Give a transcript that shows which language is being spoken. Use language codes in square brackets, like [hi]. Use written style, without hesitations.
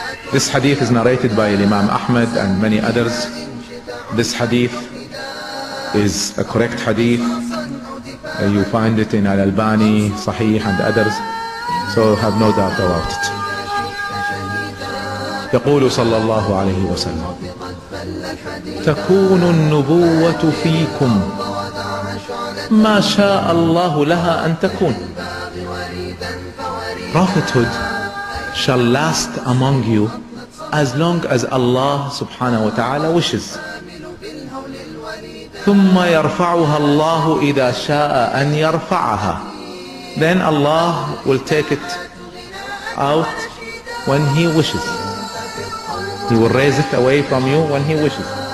[en] This hadith is narrated by Imam Ahmad and many others. This hadith is a correct hadith. You find it in Al-Albani, Sahih and others, so have no doubt about it. [ar] يقول صلى الله عليه وسلم تكون النبوة فيكم ما شاء الله لها أن تكون. [en] Prophethood shall last among you as long as Allah subhanahu wa ta'ala wishes. [ar] ثم يرفعها الله إذا شاء أن يرفعها. [en] Then Allah will take it out when He wishes. He will raise it away from you when He wishes.